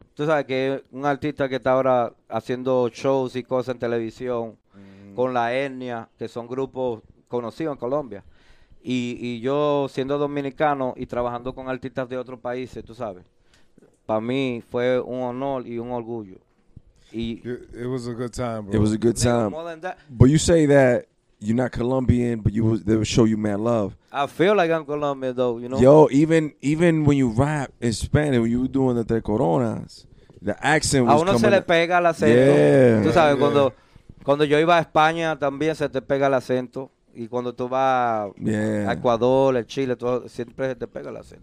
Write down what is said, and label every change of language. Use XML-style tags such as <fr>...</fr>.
<es>Tú sabes que es un artista que está ahora haciendo shows y cosas en televisión con La Etnia, que son grupos conocidos en Colombia. Y yo, siendo dominicano y trabajando con artistas de otros países, tú sabes, para mí fue un honor y un orgullo.</es> <en>It was a good time, bro. It was a good time. But you say that you're not Colombian, but they would show you mad love. I feel like I'm Colombian, though, you know? Yo, even when you rap in Spanish, when you were doing the Tres Coronas, the accent was coming.</en> <es>A uno se le pega el acento.</es> <en>Yeah.</en> <es>Tú sabes,</es> <en>yeah.</en> <es>Cuando yo iba a España, también se te pega el acento. Y cuando tú vas a Ecuador, el Chile, todo, siempre se te pega el acento.</es>